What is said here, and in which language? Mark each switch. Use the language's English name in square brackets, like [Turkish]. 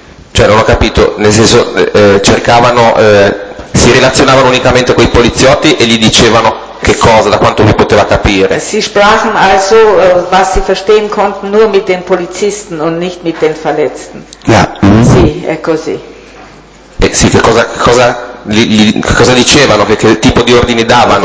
[Italian] Cioè, non ho capito, nel senso, cercavano, si relazionavano unicamente con i poliziotti e gli dicevano che cosa, da quanto lui poteva capire. [German] Sie sprachen also, was sie verstehen konnten, nur mit den Polizisten und nicht mit den Verletzten. Ja. [Italian] Sì, è così. Sì, cosa dicevano, che tipo di ordini davano?